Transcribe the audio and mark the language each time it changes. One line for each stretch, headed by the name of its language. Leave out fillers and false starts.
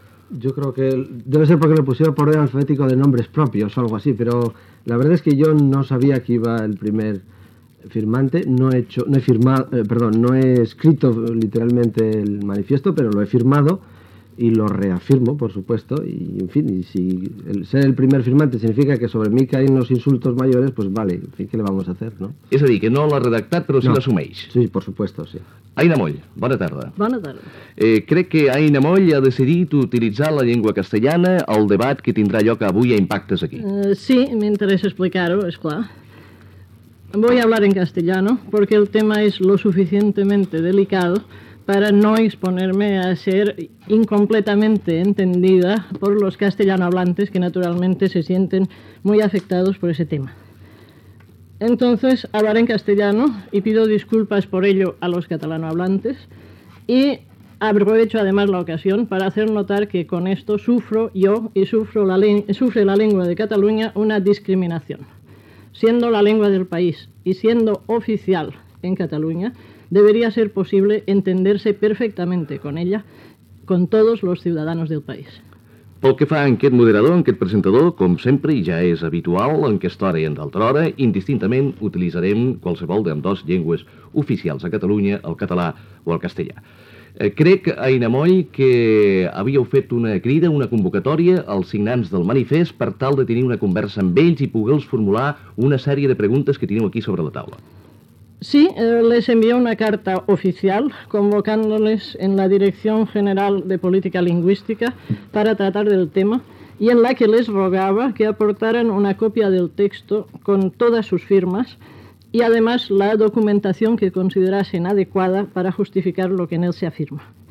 Spanish: Yo creo que debe ser porque le pusieron por orden alfabético de nombres propios o algo así, pero la verdad es que yo no sabía que iba el primer firmante, no he escrito literalmente el manifiesto, pero lo he firmado y lo reafirmo, por supuesto, y en fin, y si ser el primer firmante significa que sobre mí caen los insultos mayores, pues vale, en fin, ¿qué le vamos a hacer, no? Es decir, que no lo ha redactado, pero sí lo asuméis. Sí, por supuesto, sí.
Catalan: Aina Moll, bona tarda. Bona tarda. Crec que Aina Moll ha decidit utilitzar la llengua castellana al debat que tindrà lloc avui a Impactes aquí. Sí, m'interessa explicar-ho, és clar.
Spanish: Voy a hablar en castellano porque el tema es lo suficientemente delicado para no exponerme a ser incompletamente entendida por los castellanohablantes que naturalmente se sienten muy afectados por ese tema. Entonces, hablaré en castellano y pido disculpas por ello a los catalanohablantes y aprovecho además la ocasión para hacer notar que con esto sufro yo y sufre la lengua de Cataluña una discriminación. Siendo la lengua del país y siendo oficial en Cataluña, debería ser posible entenderse perfectamente con ella, con todos los ciudadanos del país.
Catalan: Pel que fa a aquest moderador, a aquest presentador, com sempre, i ja és habitual, en aquesta hora i en d'altra hora, indistintament utilitzarem qualsevol d'ambdós llengües oficials a Catalunya, el català o el castellà. Crec, Aina Moll, que havíeu fet una crida, una convocatòria als signants del manifest per tal de tenir una conversa amb ells i poder-los formular una sèrie de preguntes que teniu aquí sobre la taula.
Spanish: Sí, les envié una carta oficial convocándoles en la Dirección General de Política Lingüística para tratar del tema y en la que les rogaba que aportaran una copia del texto con todas sus firmas y además la documentación que considerasen adecuada para justificar lo que en él se afirma.